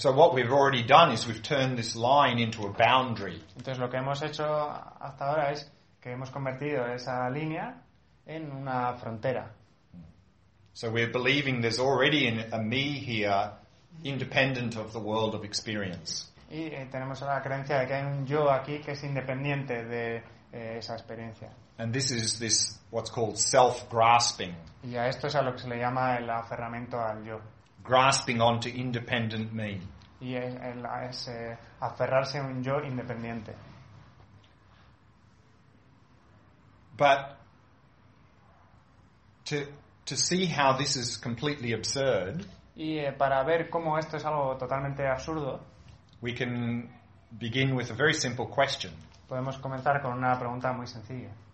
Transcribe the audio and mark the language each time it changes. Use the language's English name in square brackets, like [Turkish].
[English] So what we've already done is we've turned this line into a boundary. [Spanish] Entonces lo que hemos hecho hasta ahora es que hemos convertido esa línea en una frontera. [English] So we're believing there's already a me here independent of the world of experience. [Spanish] Y tenemos la creencia de que hay un yo aquí que es independiente de esa experiencia. [English] And this is this what's called self-grasping. [Spanish] Y a esto es a lo que se le llama el aferramiento al yo. [English] Grasping onto independent me. [Spanish] Y es aferrarse a un yo independiente. [English] But to see how this is completely absurd. [Spanish] Y para ver cómo esto es algo totalmente absurdo. [English] We can begin with a very simple question. [Spanish] Podemos comenzar con una pregunta muy sencilla.